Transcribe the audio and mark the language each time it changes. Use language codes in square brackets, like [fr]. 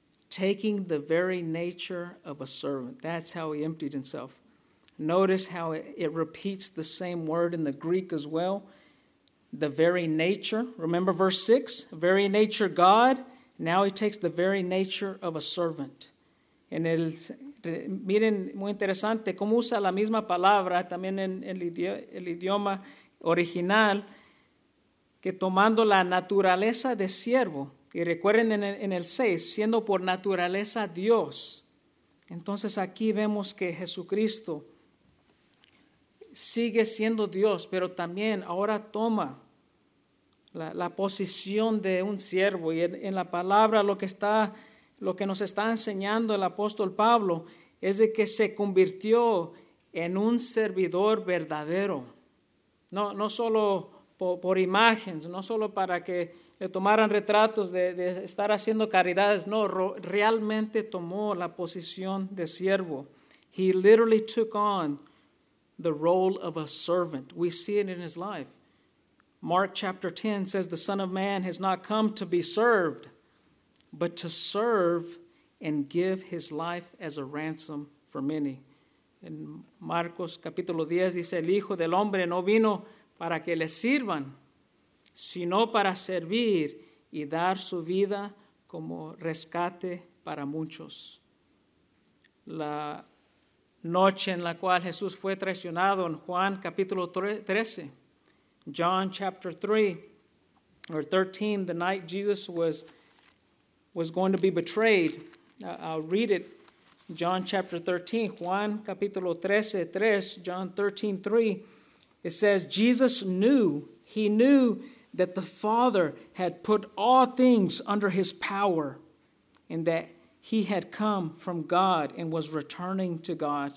[en] Taking the very nature of a servant. That's how he emptied himself. Notice how it repeats the same word in the Greek as well. The very nature. Remember verse 6? Very nature God. Now he takes the very nature of a servant. [es] En el, miren, muy interesante, cómo usa la misma palabra también en el idioma original, que tomando la naturaleza de siervo. Y recuerden en el 6, siendo por naturaleza Dios. Entonces aquí vemos que Jesucristo sigue siendo Dios, pero también ahora toma la posición de un siervo. Y en la palabra lo que nos está enseñando el apóstol Pablo es de que se convirtió en un servidor verdadero. No solo por imágenes, no solo para que le tomaran retratos de estar haciendo caridades. No, realmente tomó la posición de siervo. [en] He literally took on the role of a servant. We see it in his life. Mark chapter 10 says, the Son of Man has not come to be served, but to serve and give his life as a ransom for many. [es] En Marcos capítulo 10 dice, el Hijo del Hombre no vino para que le sirvan, sino para servir y dar su vida como rescate para muchos. La noche en la cual Jesús fue traicionado en Juan capítulo 13. [en] John chapter 13, the night Jesus was going to be betrayed. I'll read it. John chapter 13, [es] Juan capítulo 13, 3, [en] John 13, 3. It says, Jesus knew, he knew that the Father had put all things under his power and that he had come from God and was returning to God.